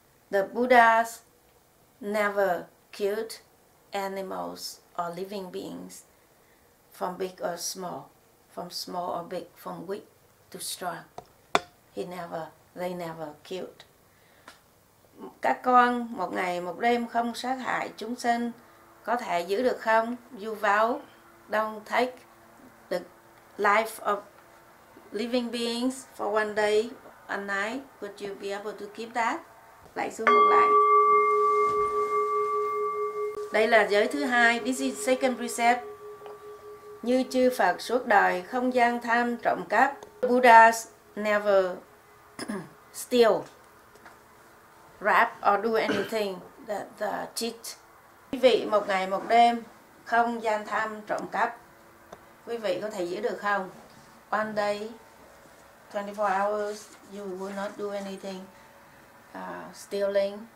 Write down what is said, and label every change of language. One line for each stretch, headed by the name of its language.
English: The Buddha's never killed animals or living beings, from big or small, from small or big, from weak to strong. They never killed.
Vietnamese: Các con một ngày một đêm không sát hại chúng sinh, có thể giữ được không?
English: You vow don't take the life of living beings for one day, a night. Would you be able to keep that?
Vietnamese: Lại xuống một lại. Đây là giới thứ hai,
English: this is second precept.
Vietnamese: Như chư Phật suốt đời không gian tham trộm cắp.
English: Buddhas never steal, rap or do anything that the cheat.
Vietnamese: Quý vị một ngày một đêm không gian tham trộm cắp, quý vị có thể giữ được không?
English: One day, 24 hours, you will not do anything stealing.